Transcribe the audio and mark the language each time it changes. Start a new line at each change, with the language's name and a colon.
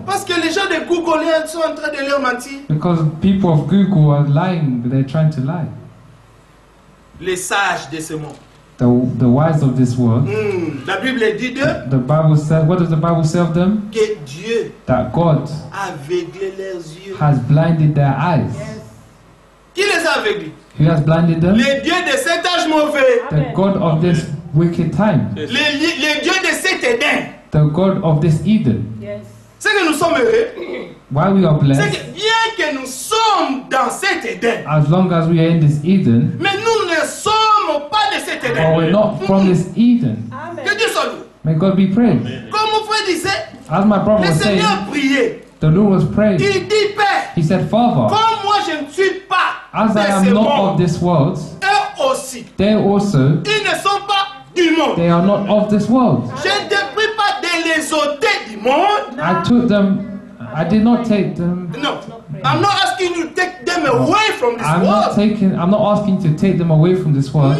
French: Parce que les gens de Google sont en train de leur mentir.
English: Because people of Google are lying, they're trying to lie.
French: Les sages de ce monde.
English: The wise of this world.
French: La Bible dit de,
English: the Bible says, what does the Bible say of them?
French: Que Dieu,
English: that God
French: leurs yeux,
English: has blinded their eyes.
French: Yes. Qui les a aveuglés?
English: Who has blinded them?
French: Les dieux de cet âge mauvais.
English: The God of this wicked time. Yes.
French: Les dieux de cet Éden.
English: The God of this Eden. Yes.
French: C'est que nous sommes heureux.
English: Why we are blessed?
French: C'est que bien que nous sommes dans cet Éden,
English: as long as we are in this Eden.
French: Mais nous ne sommes pas de cet Éden.
English: But we're not from this Eden. Amen.
French: Que Dieu soit loué.
English: May God be praised.
French: Comme mon frère disait,
English: as my brother was saying,
French: le Seigneur priait.
English: The Lord was praying.
French: Il dit, Père,
English: he said, Father,
French: comme moi je ne suis pas,
English: as I am not of this world,
French: eux aussi,
English: they also,
French: ils ne sont pas du monde.
English: They are not of this world.
French: Je ne te prie pas de les ôter du monde.
English: I took them. I did not take them. No, I'm not asking you to take them away from this I'm world. Not taking, I'm not asking to take them away from this world.